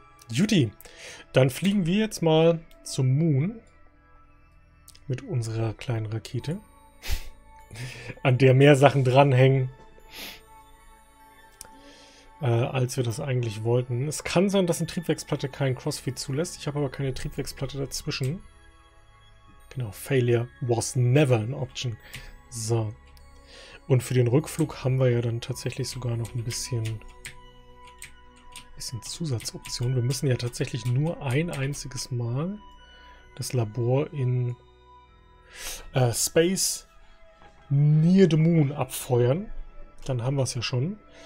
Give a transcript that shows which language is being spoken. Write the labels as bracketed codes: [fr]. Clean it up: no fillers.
[de] Juti, dann fliegen wir jetzt mal zum Moon mit unserer kleinen Rakete, an der mehr Sachen dranhängen, als wir das eigentlich wollten. Es kann sein, dass eine Triebwerksplatte keinen Crossfeed zulässt. Ich habe aber keine Triebwerksplatte dazwischen. [en] Genau, Failure was never an option. [de] So. Und für den Rückflug haben wir ja dann tatsächlich sogar noch ein bisschen Zusatzoption. Wir müssen ja tatsächlich nur ein einziges Mal das Labor in Space near the Moon abfeuern. Dann haben wir es ja schon.